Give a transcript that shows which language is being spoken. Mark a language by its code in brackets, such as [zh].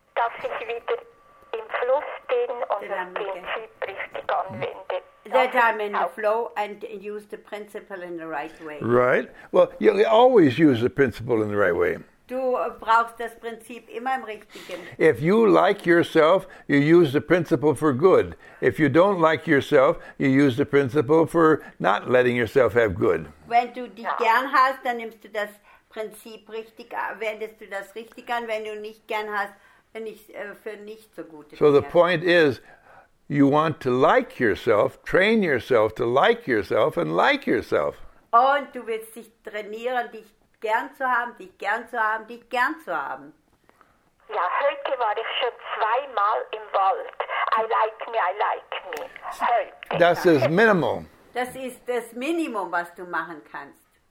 [de] dass ich wieder im Fluss bin und das Prinzip richtig anwende. [en] That I'm in the flow and use the principle in the right way. Right. Well, you always use the principle in the right way. [de] Du brauchst das Prinzip immer im Richtigen. [en] If you like yourself, you use the principle for good. If you don't like yourself, you use the principle for not letting yourself have good. [de] Wenn du dich gern hast, dann nimmst du das Prinzip richtig, wendest du das richtig an. Wenn du nicht gern hast, bin ich für nicht so gut. [en] So the point is, you want to like yourself, train yourself to like yourself and like yourself. [de] Und du willst dich trainieren, dich gern zu haben, dich gern zu haben, dich gern zu haben. Ja, heute war ich schon zweimal im Wald. [en] I like me. Heute. [de] Das ist minimal. Das ist das Minimum, was du machen kannst.